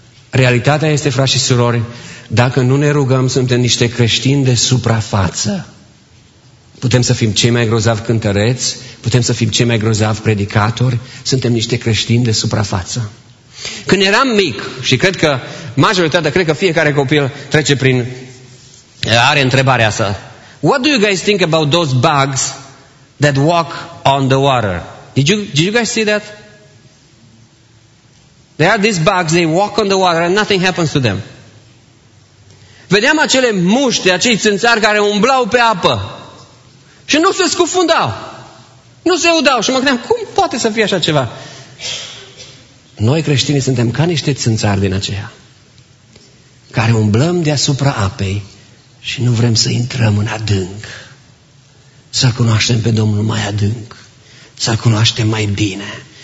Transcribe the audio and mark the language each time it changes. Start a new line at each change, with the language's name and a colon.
Romanian: Realitatea este, frați și surori, dacă nu ne rugăm, suntem niște creștini de suprafață. Putem să fim cei mai grozavi cântăreți, putem să fim cei mai grozavi predicatori, suntem niște creștini de suprafață. Când eram mic, și cred că majoritatea, cred că fiecare copil trece prin, are întrebarea asta.
English: What do you guys think about those bugs that walk on the water? Did you guys see that? There are these bugs, they walk on the water and nothing happens to them.
Romanian: Vedeam acele muște, acei țânțari care umblau pe apă. Și nu se scufundau. Nu se udau. Și mă gândeam, cum poate să fie așa ceva? Noi creștinii suntem ca niște țânțari din aceea, care umblăm deasupra apei și nu vrem să intrăm în adânc, să-L cunoaștem pe Domnul mai adânc, să-L cunoaștem mai bine.